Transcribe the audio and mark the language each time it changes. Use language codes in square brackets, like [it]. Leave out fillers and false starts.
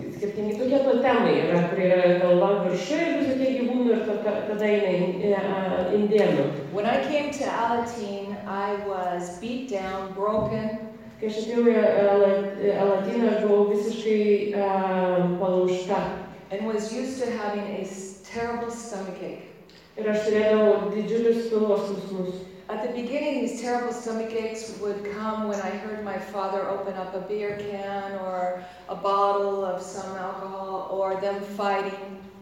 [lt] Skirtingi tokie totemai yra, kurie yra galva viršuje visokie gyvūnų ir tada eina indėnų. [en] When I came to Alateen, I was beat down, broken. [lt] Kai aš atėjau į Alateen, aš buvau visiškai palaužta. [en] And was used to having a terrible stomachache. [lt] Ir aš turėjau didžiulius pilvo skausmus. [en] At the beginning, these terrible stomach aches would come when I heard my father open up a beer can or a bottle of some alcohol or them fighting.